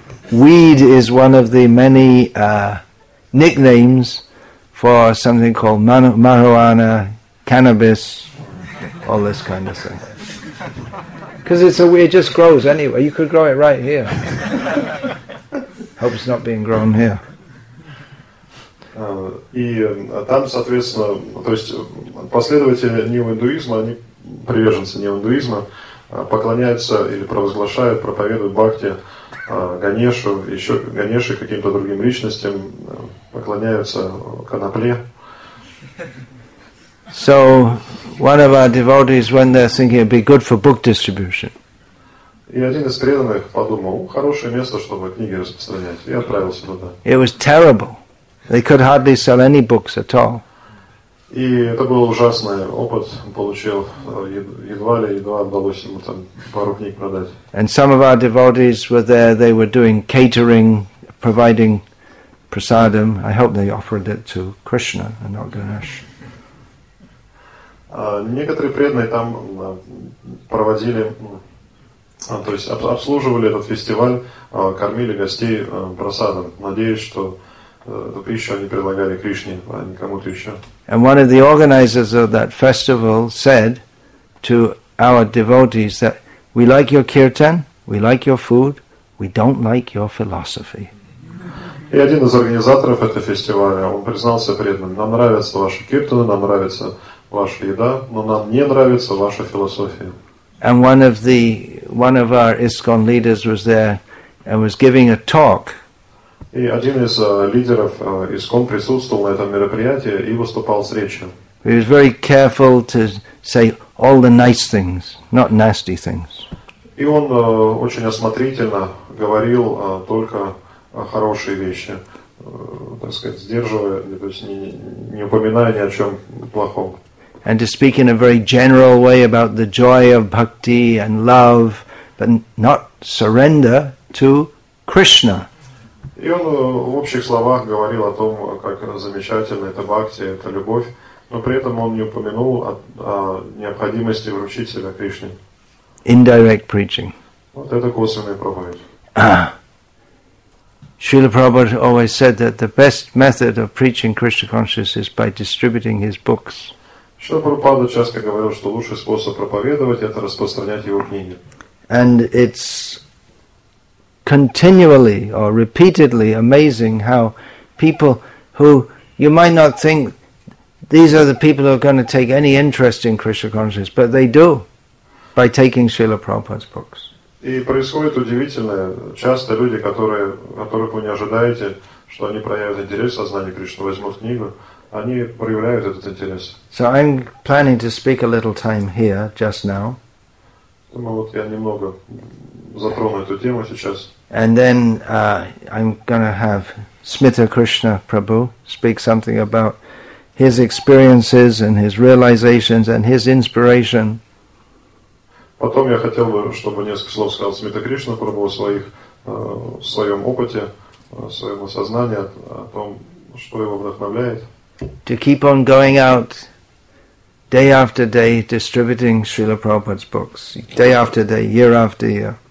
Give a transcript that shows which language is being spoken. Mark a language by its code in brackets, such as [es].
[en] Weed is one of the many nicknames for something called marijuana, cannabis, all this kind of thing. Because it just grows anyway. You could grow it right here. Hope it's not being grown here. [ru] И там, соответственно, то есть последователи неоиндуизма, они приверженцы неоиндуизма, поклоняются или провозглашают, проповедуют бхакти Ганешу, еще Ганеше, каким-то другим личностям, поклоняются конопле. [en] So one of our devotees, when they're thinking it'd be good for book distribution. [ru] И один из преданных подумал, хорошее место, чтобы книги распространять, и отправился туда. [en] It was terrible. They could hardly sell any books at all. [ru] И это был ужасный опыт. Получил едва удалось ему там пару книг продать. [en] And some of our devotees were there. They were doing catering, providing prasadam. I hope they offered it to Krishna and not Ganesh. [ru] Некоторые преданные там проводили, то есть обслуживали этот фестиваль, кормили гостей прасадом. Надеюсь, что эту пищу они предлагали Кришне, а не кому-то еще. [en] And one of the organizers of that festival said to our devotees that we like your kirtan, we like your food, we don't like your philosophy. [ru] И один из организаторов этого фестиваля, он признался преданным: нам нравятся ваши киртаны, нам нравится ваша еда, но нам не нравится ваша философия. [en] And one of our ISKCON leaders was there and was giving a talk. [ru] И один из лидеров ИСКОН присутствовал на этом мероприятии и выступал с речью. [en] He was very careful to say all the nice things, not nasty things. [ru] И он очень осмотрительно говорил только хорошие вещи, так сказать, сдерживая, то есть не упоминая ни о чем плохом. [en] And to speak in a very general way about the joy of bhakti and love, but not surrender to Krishna. [ru] И он в общих словах говорил о том, как замечательно это бхакти, это любовь, но при этом он не упомянул о необходимости вручить себя Кришне. [en] Indirect preaching. [ru] Вот это косвенная проповедь. [en] Srila Prabhupada always said that the best method of preaching Krishna consciousness is by distributing his books. [ru] Srila Prabhupada часто говорил, что лучший способ проповедовать – это распространять его книги. [en] And it's continually or repeatedly amazing how people who you might not think these are the people who are going to take any interest in Krishna consciousness, but they do by taking Srila Prabhupada's books. [ru] И происходит удивительное. Часто люди, которых вы не ожидаете, что они проявят интерес о знании Кришны, возьмут книгу, они проявляют этот интерес. [en] So I'm planning to speak a little time here just now. [ru] Думаю, вот я немного затрону эту тему сейчас. [en] And then I'm going to have Smita Krishna Prabhu speak something about his experiences and his realizations and his inspiration. [ru] Потом я хотел бы, чтобы несколько слов сказал Смита Кришна Прабху о своих, о своем опыте, о своем осознании, о том, что его вдохновляет. [en] To keep on going out day after day, distributing Srila Prabhupada's books, day after day, year after year.